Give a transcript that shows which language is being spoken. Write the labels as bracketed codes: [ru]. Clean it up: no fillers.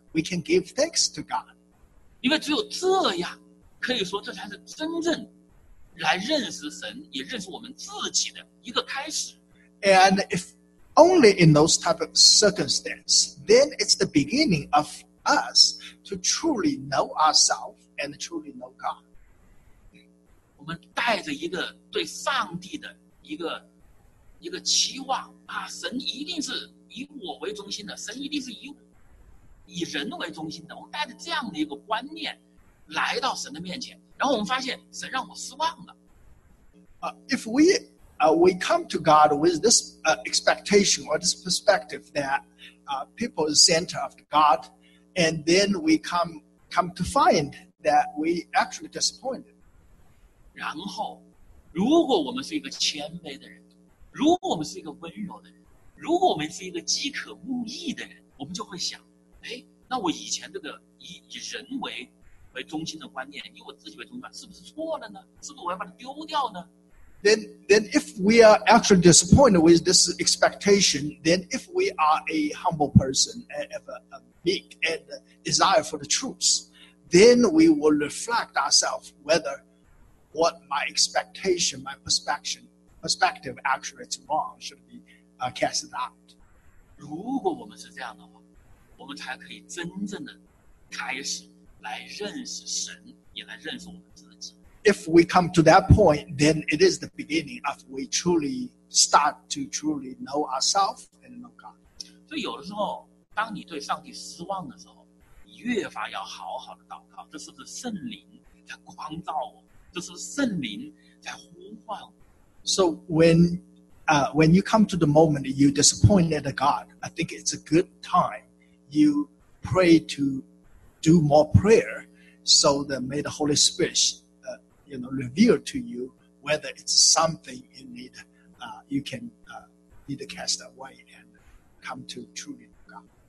[en] We can give thanks to God. [zh] 因为只有这样，可以说这才是真正来认识神，也认识我们自己的一个开始。 [en] And if only in those type of circumstances, then it's the beginning of us to truly know ourselves and truly know God. [zh] 我们带着一个对上帝的一个期望啊，神一定是以我为中心的，神一定是以人为中心的。我们带着这样的一个观念来到神的面前。然后我们发现神让我失望了。 [en] If we come to God with this expectation or this perspective that people is center of God, and then we come to find that we actually disappointed. [zh] 然后，如果我们是一个谦卑的人，如果我们是一个温柔的人，如果我们是一个饥渴慕义的人，我们就会想，哎，那我以前这个以人为中心的观念，以我自己为中心，是不是错了呢？是不是我要把它丢掉呢？ [en] Then if we are actually disappointed with this expectation, then if we are a humble person and have a meek and desire for the truth, then we will reflect ourselves whether what my expectation, my perspective actually is wrong, should be casted out. [zh] 如果我们是这样的话，我们才可以真正的开始来认识神，也来认识我们自己。 [en] If we come to that point, then it is the beginning of we truly start to truly know ourselves and know God. [zh] 所以有的时候，当你对上帝失望的时候，你越发要好好的祷告，这是不是圣灵在光照我？这是不是圣灵在呼唤我？ [en] So when you come to the moment you disappointed God, I think it's a good time you pray to. Do more prayer, so that may the Holy Spirit, reveal to you whether it's something you need, you can cast away and come to truly God.